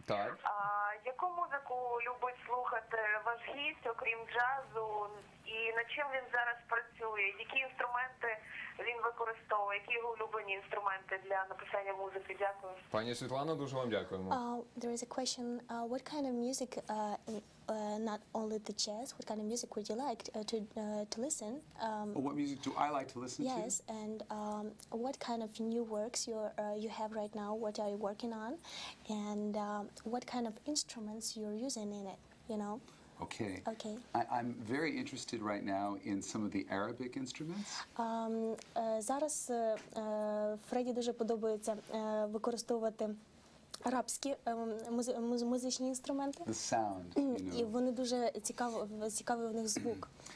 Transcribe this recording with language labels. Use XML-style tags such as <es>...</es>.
<uk>Так. Яку музику любить слухати ваш гість, окрім джазу, і над чим він зараз працює? Які інструменти він використовує? Які його улюблені інструменти для написання музики? Дякую. Пані Світлана, дуже вам дякуємо.</uk> <en>There is a question. What kind of music, not only the jazz, what kind of music would you like to listen? What music do I like to listen yes, to? Yes, and what kind of new works you have right now? What are you working on? And what kind of instruments you're using in it, you know? Okay. Okay. I'm very interested right now in some of the Arabic instruments.</en> <uk>Зараз Фредді дуже подобається використовувати арабські музичні інструменти.</uk> <en>The sound, you know.</en> <uk>І вони дуже цікавий у них звук.</uk>